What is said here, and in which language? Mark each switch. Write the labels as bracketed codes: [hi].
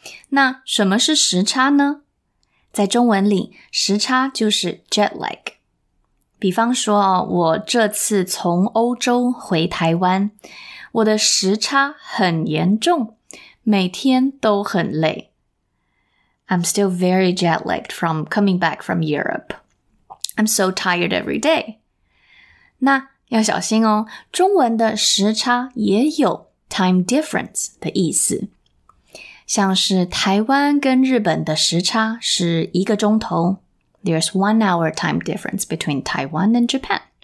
[zh] 那什么是时差呢？在中文里，时差就是 jet lag。比方说，我这次从欧洲回台湾，我的时差很严重，每天都很累。 [en] I'm still very jet-lagged from coming back from Europe. I'm so tired every day. [zh] 那要小心哦，中文的时差也有 time difference 的意思。像是台湾跟日本的时差是一个钟头。 [en] There's 1 hour time difference between Taiwan and Japan.